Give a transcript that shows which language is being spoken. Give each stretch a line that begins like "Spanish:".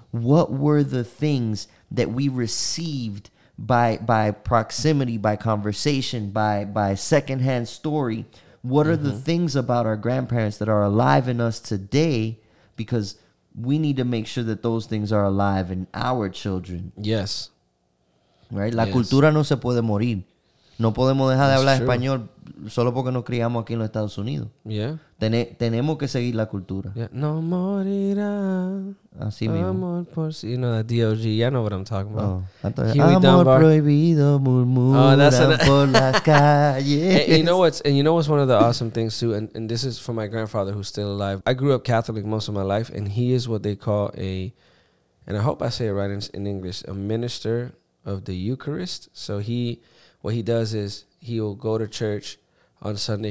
English: What were the things that we received by proximity, by conversation, by secondhand story? What are the things about our grandparents that are alive in us today? Because we need to make sure that those things are alive in our children. Yes. Right?
Spanish: La cultura no se puede morir. No podemos dejar de hablar español solo porque nos criamos aquí en los Estados Unidos.
English: Yeah.
Spanish: Tenemos que seguir la cultura. Yeah. No morirá. Así mismo. Amor por si.
English: You know that D.O.G. I know what I'm talking about. Oh.
Spanish: Amor prohibido murmuran por las calles.
English: And you know what's one of the awesome things too? And this is for my grandfather who's still alive. I grew up Catholic most of my life, and he is what they call and I hope I say it right in English, a minister of the Eucharist. So he, what he does is he'll go to church on Sunday.